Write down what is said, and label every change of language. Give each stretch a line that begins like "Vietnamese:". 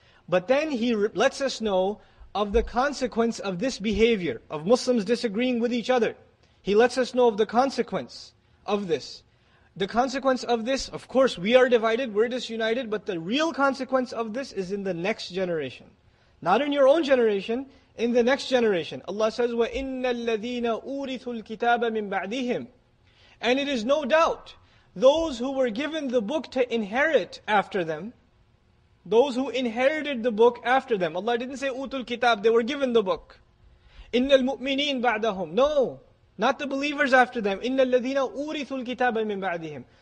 English: But then He lets us know of the consequence of this behavior, of Muslims disagreeing with each other. He lets us know of the consequence of this. The consequence of this, of course, we are divided, we're disunited, but the real consequence of this is in the next generation. Not in your own generation, in the next generation. Allah says,
Arabic: وَإِنَّ الَّذِينَ أُورِثُوا الْكِتَابَ مِنْ بَعْدِهِمْ.
English: And it is no doubt, those who were given the book to inherit after them, those who inherited the book after them. Allah didn't say,
Arabic: أُوتُوا الْكِتَابَ,
English: they were given the book.
Arabic: إِنَّ الْمُؤْمِنِينَ بَعْدَهُمْ.
English: No. Not the believers after them.
Arabic: إِنَّ الَّذِينَ أُورِثُوا الْكِتَابَ مِنْ بَعْدِهِمْ.